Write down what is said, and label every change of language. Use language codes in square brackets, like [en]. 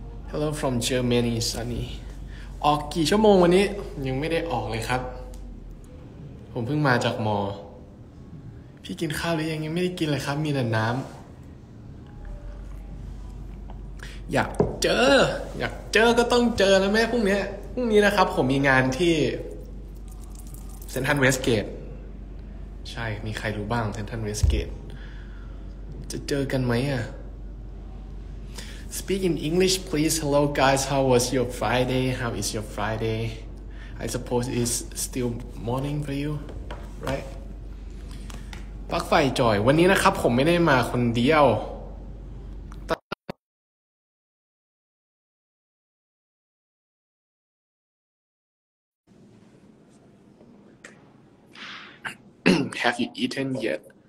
[en] Hello from Germany sunny [th] ออกกี่ชั่วโมงวันนี้ยังไม่ได้ออกเลยครับผมเพิ่งมาจากมอพี่กินข้าวหรือยังไม่ได้กินเลยครับมีแต่น้ำอยากเจอก็ต้องเจอนะแม่พรุ่งนี้นะครับผมมีงานที่ เซ็นทรัลเวสเกตใช่มีใครรู้บ้างเซ็นทรัลเวสเกตจะเจอกันไหมอะ [en] Speak in English, please. Hello, guys. How was your Friday? How is your Friday? I suppose it's still morning for you, right? [th] ปักไฟจอยวันนี้นะครับผมไม่ได้มาคนเดียว [en] Have you eaten yet?